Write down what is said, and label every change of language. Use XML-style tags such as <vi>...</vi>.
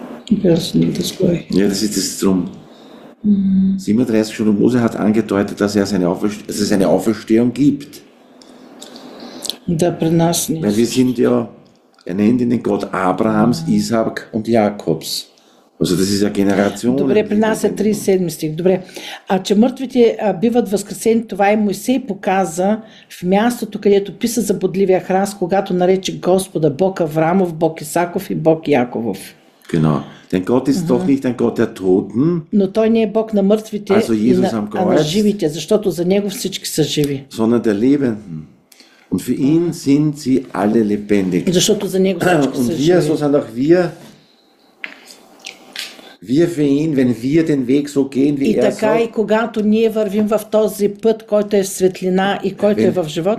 <de>Ja, das ist es drum. 37 schon, und Mose hat angedeutet, dass er seine Auferstehung, dass es eine Auferstehung gibt. Da brennt Weil wir sind ja, er nennt ihn den Gott Abrahams, Isaak und Jakobs. Also das ist ja</de> <bg>Добре, при нас е</bg> <de>Generationen.</de> <bg>37 стих. Добре. А че мъртвите биват възкресени, това и Мойсей показа в мястото, където писа за бодливия храст, когато нарече Господа Бог Аврамов, Бог Исаков и Бог Яков.</bg> <de>Genau. Denn Gott ist doch nicht ein Gott der Toten,</de> <bg>Но той не е Бог на мъртвите,</bg> <de>also Jesus am</de> <bg>а на</bg> <de>Kreuz,</de> <bg>живите, защото за Него всички са живи.</bg> <de>sondern der Lebenden. Und für ihn sind sie alle lebendig.</de> <bg>Защото за Него всички са</bg> <de>Und wir,</de> <bg>живи.</bg> <de>so sind auch wir für ihn, wenn wir den Weg so gehen,</de> <bg>И</bg> <de>wie er</de> <bg>така и</bg> <de>sagt,</de> <bg>когато ние вървим в този път, който е в светлина и който е в живот,</bg>